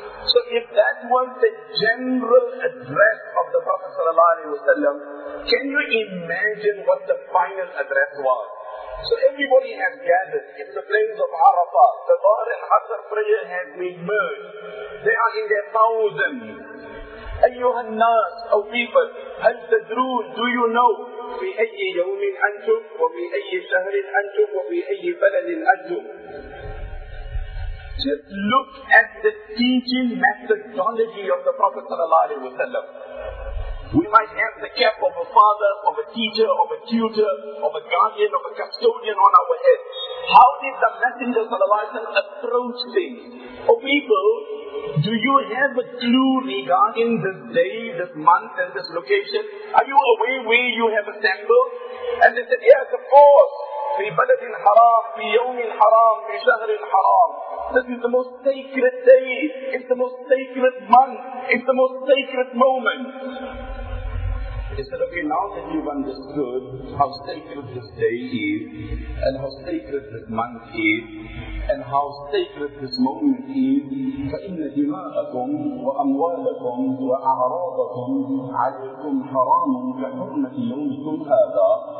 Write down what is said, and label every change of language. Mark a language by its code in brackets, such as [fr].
[en] So if that was the general address of the Prophet sallallahu alaihi wasallam, can you imagine what the final address was? So everybody has gathered in the plains of Arafah. The Dhuhr and Asr prayer has been merged. They are in their thousands. [ar] أَيُّهَا النَّاسُ أَوْ [en] people, [ar] هَلْ تَدْرُونَ, [en] do you know, [ar] فِي أَيِّ يَوْمٍ أَنْتُمْ وَفِي أَيِّ شَهْرٍ أَنْتُمْ وَفِي أَيِّ بَلَدٍ أَنْتُمْ. [en] Just look at the teaching methodology of the Prophet sallallahu alaihi wasallam. We might have the cap of a father, of a teacher, of a tutor, of a guardian, of a custodian on our head. How did the Messenger sallallahu alaihi wasallam approach things? Oh people, do you have a clue regarding this day, this month and this location? Are you aware where you have assembled? And they said, yes, of course. [ar] في بلد حرام, في يوم حرام, في شهر حرام. [en] This is the most sacred day. It's the most sacred month. It's the most sacred moment. He said, okay, now that you've understood how sacred this day is, and how sacred this month is, and how sacred this moment is, [ar] فَإِنَّ دِمَاءَكُمْ وَأَمْوَالَكُمْ وَأَعْرَاضَكُمْ عَلَيْكُمْ حَرَامٌ كَحُرْمَةِ يَوْمِكُمْ هَذَا.